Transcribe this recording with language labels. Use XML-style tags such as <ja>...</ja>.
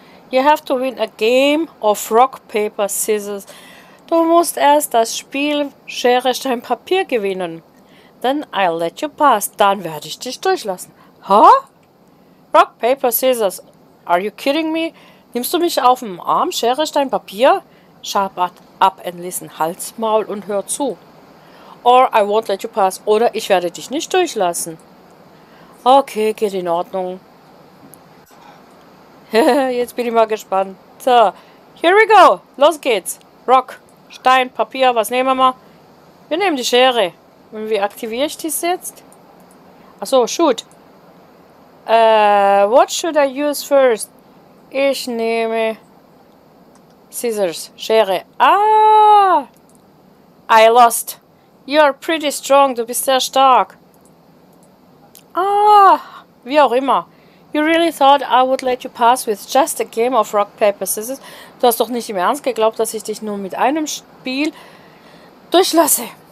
<en>You have to win a game of rock, paper, scissors.</en> <de>Du musst erst das Spiel Schere, Stein, Papier gewinnen.</de> <en>Then I'll let you pass.</en> <de>Dann werde ich dich durchlassen.</de> <en>Ha? Huh? Rock, paper, scissors. Are you kidding me?</en> <de>Nimmst du mich auf den Arm? Schere, Stein, Papier?</de> <en>Shut up and listen.</en> <de>Halt's Maul und hör zu.</de> <en>Or I won't let you pass.</en> <de>Oder ich werde dich nicht durchlassen.</de> <en>Okay,</en> <de>geht in Ordnung. Jetzt bin ich mal gespannt.</de> <en>So, here we go.</en> <de>Los geht's. Rock, Stein, Papier, was nehmen wir mal? Wir nehmen die Schere. Und wie aktiviere ich das jetzt? Achso, shoot.</de> <en>What should I use first?</en> <de>Ich nehme Scissors, Schere.</de> <en>Ah! I lost. You are pretty strong.</en> <de>Du bist sehr stark.</de> <en>Ah!</en> <de>Wie auch immer.</de> <en>You really thought I would let you pass with just a game of rock, paper, scissors?</en> <de>Du hast doch nicht im Ernst geglaubt, dass ich dich nur mit einem Spiel durchlasse.</de>